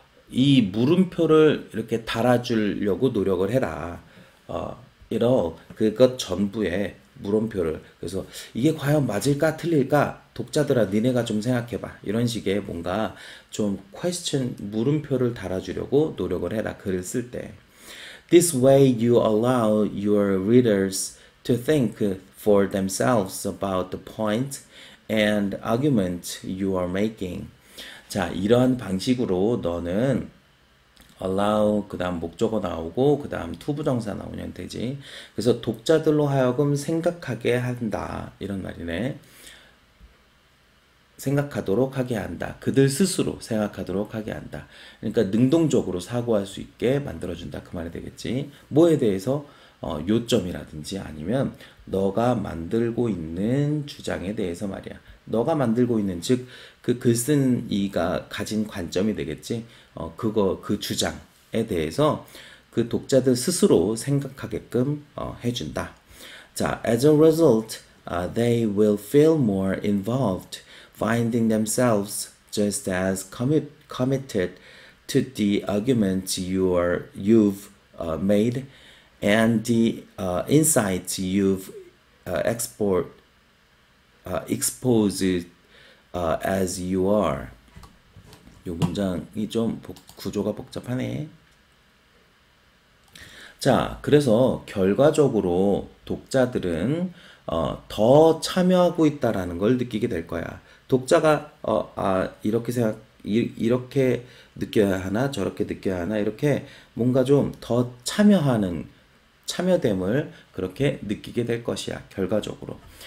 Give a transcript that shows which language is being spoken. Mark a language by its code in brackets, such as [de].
[ko] 이 물음표를 이렇게 달아주려고 노력을 해라. [en] it all. [ko] 그것 전부에 물음표를. 그래서 이게 과연 맞을까? 틀릴까? 독자들아, 니네가 좀 생각해봐. 이런 식의 뭔가 좀 물음표를 달아주려고 노력을 해라. 글을 쓸 때. [en] This way you allow your readers to think for themselves about the point and argument you are making. [ko] 자, 이런 방식으로 너는 allow, 그 다음 목적어 나오고, 그 다음 to 부정사 나오면 되지. 그래서 독자들로 하여금 생각하게 한다. 이런 말이네. 생각하도록 하게 한다. 그들 스스로 생각하도록 하게 한다. 그러니까 능동적으로 사고할 수 있게 만들어준다. 그 말이 되겠지. 뭐에 대해서? 요점이라든지 아니면 너가 만들고 있는 주장에 대해서 말이야. 너가 만들고 있는 즉그 글쓴이가 가진 관점이 되겠지. 그 주장에 대해서 그 독자들 스스로 생각하게끔 해준다. [en] 자, as a result, they will feel more involved, finding themselves just as committed to the arguments you've made. And the insights you've exposed as you are. [ko] 요 문장이 좀 구조가 복잡하네. 자, 그래서 결과적으로 독자들은 더 참여하고 있다라는 걸 느끼게 될 거야. 독자가 이렇게 느껴야 하나, 저렇게 느껴야 하나, 이렇게 뭔가 좀더 참여됨을 그렇게 느끼게 될 것이야, 결과적으로.